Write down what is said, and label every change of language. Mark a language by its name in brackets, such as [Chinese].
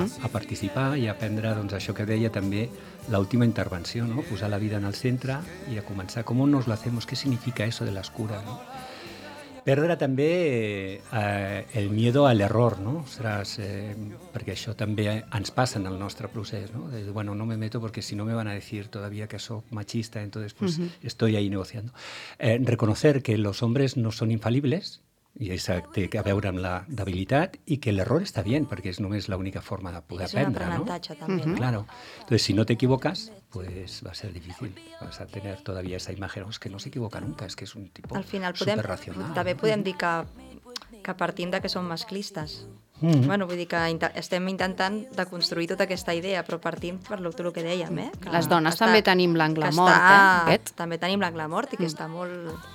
[Catalan] A participar i a aprendre, això que deia també l'última intervenció, no? Posar la vida en el centre i a començar, com [Spanish] nos la hacemos, [Catalan] què significa eso de les cures, no? Perdre també [Spanish] el miedo [Catalan] al error, no? Ostres, perquè això també ens passa en el nostre procés, no? [Spanish] De dir, no me meto porque si no me van a decir todavía que soy machista, entonces pues estoy ahí negociando. Reconocer que los hombres no son infalibles, [Catalan] i això té a veure amb la debilitat, i que l'error està bé, perquè és només l'única forma de poder aprendre, no? És un aprenentatge, també, no? [Spanish] Claro. Entonces, [Catalan] si no t'equivoques, [Spanish] pues va a ser difícil. Vas a tener todavía esa imagen, que no s'equivoca nunca, es que es un tipo al final, superracional. [Catalan] Podem, també podem dir que partim de que som masclistes. Vull dir que estem intentant de construir tota aquesta idea, però partim per el que dèiem, eh? Que les dones també tenim l'angle mort, També tenim l'angle mort i que està molt...